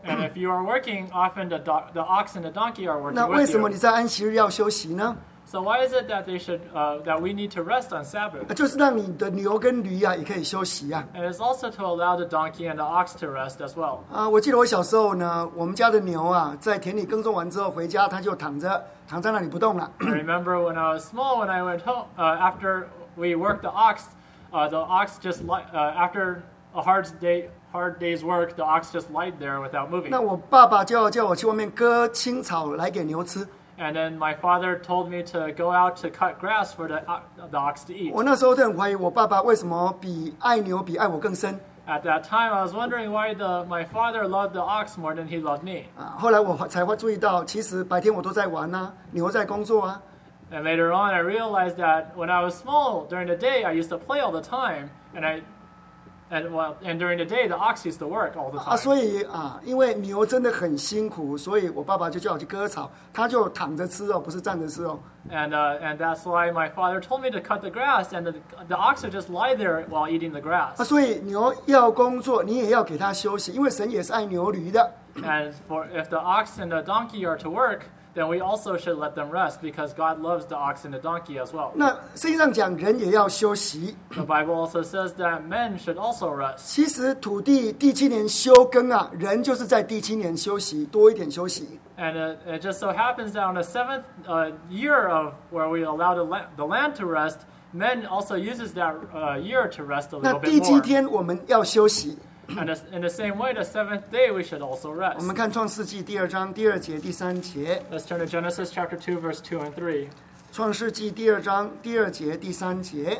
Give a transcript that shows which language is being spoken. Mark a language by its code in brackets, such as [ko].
[en] And if you are working, often the ox and the donkey are working. [zh] 那为什么你在安息日要休息呢？ [en] So why is it that they should that we need to rest on Sabbath? [zh] 就是让你的牛跟驴啊也可以休息啊。 [en] And it's also to allow the donkey and the ox to rest as well. [zh] 啊，我记得我小时候呢，我们家的牛啊，在田里耕种完之后回家，它就躺在那里不动了。 [en] I remember when I was small, when I went home after we worked the ox just after a hard day's work, the ox just lied there without moving. [zh] 那我爸爸就要叫我去外面割青草来给牛吃。 [en] And then my father told me to go out to cut grass for the ox to eat. [zh] 我那时候就很怀疑我爸爸为什么比爱牛比爱我更深。 [en] At that time, I was wondering why my father loved the ox more than he loved me. [zh] 后来我才会注意到，其实白天我都在玩啊，牛在工作啊。 [en] And later on, I realized that when I was small, during the day, I used to play all the time, and during the day, the ox used to work all the time. [zh] 所以啊，因为牛真的很辛苦，所以我爸爸就叫我去割草，他就躺着吃哦，不是站着吃哦。 [en] And that's why my father told me to cut the grass, and the ox would just lie there while eating the grass. [zh] 所以牛要工作，你也要给他休息，因为神也是爱牛驴的。 [en] And for if the ox and the donkey are to work, then we also should let them rest, because God loves the ox and the donkey as well. [zh] 那圣经上讲人也要休息。 [en] The Bible also says that men should also rest. [zh] 其实土地第七年休耕啊，人就是在第七年休息，多一点休息。 [en] And it just so happens that on the seventh year of where we allow the land to rest, men also uses that year to rest a little bit more. [zh] 那第七天我们要休息。 [en] And in the same way, the seventh day we should also rest. [zh] 我们看创世纪第二章第二节第三节。 [en] Let's turn to Genesis chapter 2, verse 2 and 3. [zh] 创世纪第二章第二节第三节。